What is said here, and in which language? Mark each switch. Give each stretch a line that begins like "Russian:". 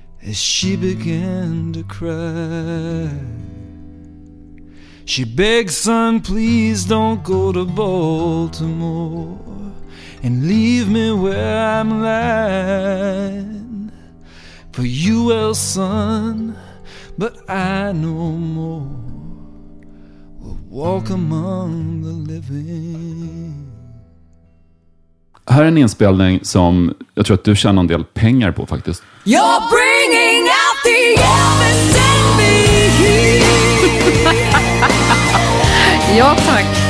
English: As she began to cry, she begged, son, please don't go to Baltimore and leave me where I'm lying. For you, well, son, but I no more will walk among the living.
Swedish: Här är en inspelning som jag tror att du tjänar en del pengar på faktiskt.
English: You're bringing out the evidence in me.
Swedish: Ja, tack.